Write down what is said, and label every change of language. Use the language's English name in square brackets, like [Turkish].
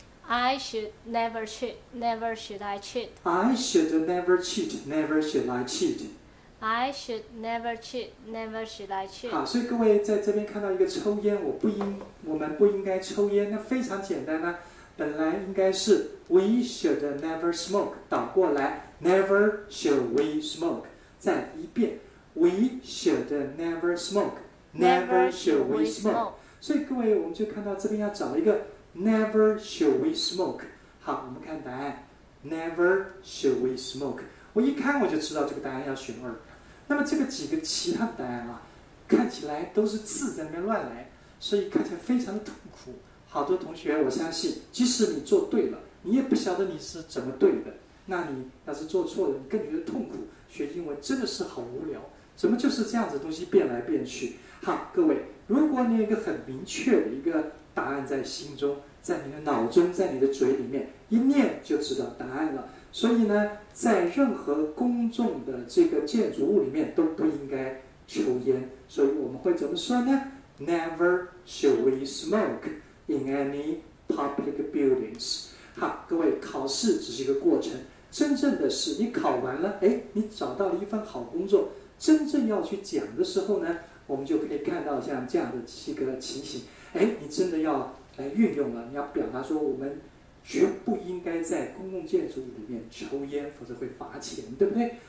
[English] I should never cheat, never should I cheat. I should never cheat, never should I cheat. I should never cheat, never should I cheat. [Chinese] 好，所以各位在这边看到一个抽烟，我们不应该抽烟，那非常简单呢。本来应该是 [English] we should never smoke, [Chinese] 倒过来 [English] never should we smoke. [Chinese] 再一遍 [English] we should never smoke, never should we smoke. [Chinese] 所以各位，我们就看到这边要找一个 [English] never should we smoke. [Chinese] 好，我们看答案 [English] never should we smoke. [Chinese] 我一看我就知道这个答案要选二。那么这个几个其他的答案啊，看起来都是字在那边乱来，所以看起来非常的痛苦。好多同学，我相信即使你做对了，你也不晓得你是怎么对的。那你要是做错了，你更觉得痛苦，学英文真的是好无聊，怎么就是这样子东西变来变去。好，各位，如果你有一个很明确的一个答案在心中，在你的脑中，在你的嘴里面一念就知道答案了。所以呢，在任何公众的这个建筑物里面都不应该抽烟。所以我们会怎么说呢？ [English] Never should we smoke in any public buildings. [Chinese] 好，各位考考试只是一个过程，真正的是你考完了，哎，你找到了一份好工作，真正要去讲的时候呢，我们就可以看到像这样的几个情形，哎，你真的要来运用了，你要表达说我们绝不应该在公共建筑里面抽烟，否则会罚钱，对不对？